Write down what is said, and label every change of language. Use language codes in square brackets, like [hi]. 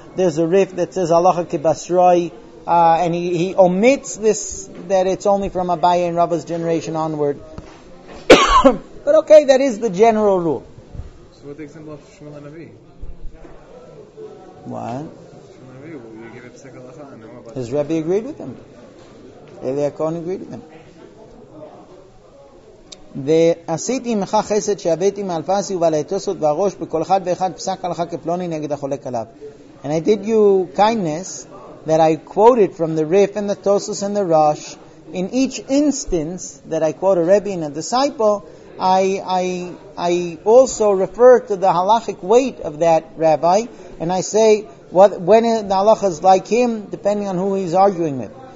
[en] There's a Rif that says halacha kibasroi and he omits this, that it's only from Abaye and Rava's generation onward. But okay, that is the general rule. So what the example of Shmuel HaNavi? What? Shmuel HaNavi, will you give it Pesach Halacha? His Rebbe agreed with him. Eliyahu Kohen agreed with him. [he] ועשיתי עמך חסד שהבאתי מאלפסי ובלעטוסות והראש בכל אחד ואחד פסק הלכה כפלוני נגד החולק עליו. [en] And I did you kindness that I quoted from the Rif and the Tosus and the Rosh. In each instance that I quote a Rebbe and a disciple, I also refer to the halachic weight of that rabbi, and I say what when the halacha is like him, depending on who he's arguing with.